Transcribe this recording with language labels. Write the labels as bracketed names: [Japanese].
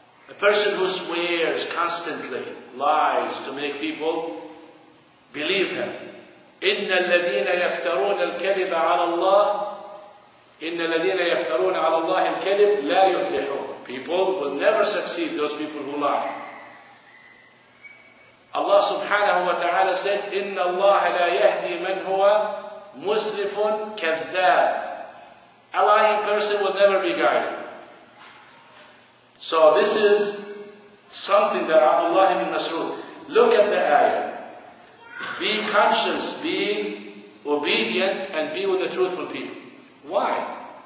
[English] A person who swears constantly, lies to make people believe him. [Arabic] إِنَّ الَّذِينَ يَفْتَرُونَ الْكَذِبَ عَلَى اللَّهِ إِنَّ الَّذِينَ يَفْتَرُونَ عَلَى اللَّهِ الْكَذِبْ لَا يُفْلِحُونَ. [English] People will never succeed, those people who lie. Allah subhanahu wa ta'ala said, [Arabic] إِنَّ اللَّهَ لَا يَهْدِي مَنْ هُوَ مُسْرِفٌ كَذَّابٌ. [English] A lying person will never be guided. So this is something that Abdullah ibn Mas'ud, look at the ayah. Be conscious, be obedient, and be with the truthful people. Why?